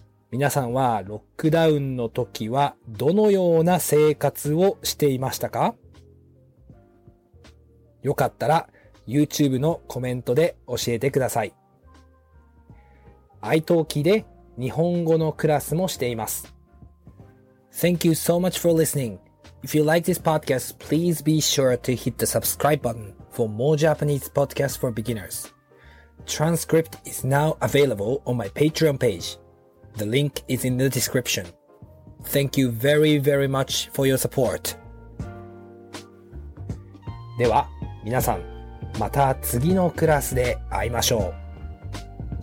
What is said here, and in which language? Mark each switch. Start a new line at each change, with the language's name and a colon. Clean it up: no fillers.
Japanese: 皆さんはロックダウンの時はどのような生活をしていましたか？よかったら YouTube のコメントで教えてください。 iTalkiで日本語のクラスもしています。
English: Thank you so much for listening. If you like this podcast, please be sure to hit the subscribe button for more Japanese podcasts for beginners. Transcript is now available on my Patreon page. The link is in the description. Thank you very, very much for your support.
Japanese: では皆さん、また次のクラスで会いましょう。